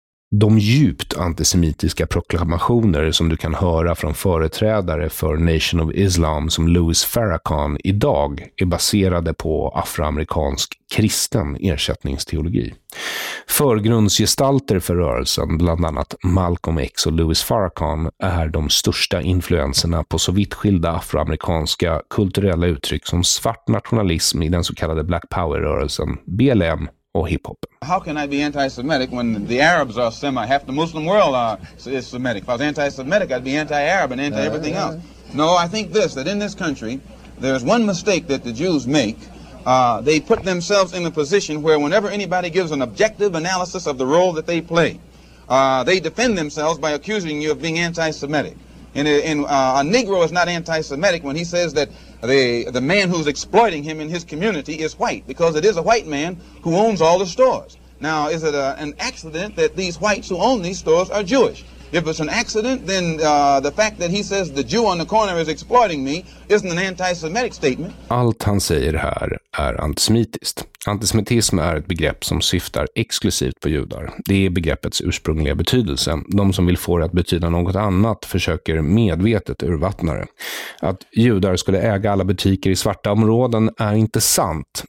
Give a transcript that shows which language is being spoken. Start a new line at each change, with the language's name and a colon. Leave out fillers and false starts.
Swedish: De djupt antisemitiska proklamationer som du kan höra från företrädare för Nation of Islam som Louis Farrakhan idag är baserade på afroamerikansk kristen ersättningsteologi. Förgrundsgestalter för rörelsen, bland annat Malcolm X och Louis Farrakhan, är de största influenserna på så vitt skilda afroamerikanska kulturella uttryck som svart nationalism i den så kallade Black Power-rörelsen, BLM, och hip-hop.
English: How can I be anti-Semitic when the Arabs are Semitic? Half the Muslim world is Semitic. If I was anti-Semitic, I'd be anti-Arab and anti-everything else. No, I think this, that in this country, there's one mistake that the Jews make. They put themselves in a position where whenever anybody gives an objective analysis of the role that they play, they defend themselves by accusing you of being anti-Semitic. And a Negro is not anti-Semitic when he says that the man who's exploiting him in his community is white, because it is a white man who owns all the stores. Now, is it an accident that these whites who own these stores are Jewish? If it's an accident, then the fact that he says the Jew on the corner is exploiting me isn't an anti-Semitic statement.
Swedish: Allt han säger här är antisemitiskt. Antisemitism är ett begrepp som syftar exklusivt på judar. Det är begreppets ursprungliga betydelse. De som vill få det att betyda något annat försöker medvetet urvattna det. Att judar skulle äga alla butiker i svarta områden är inte sant.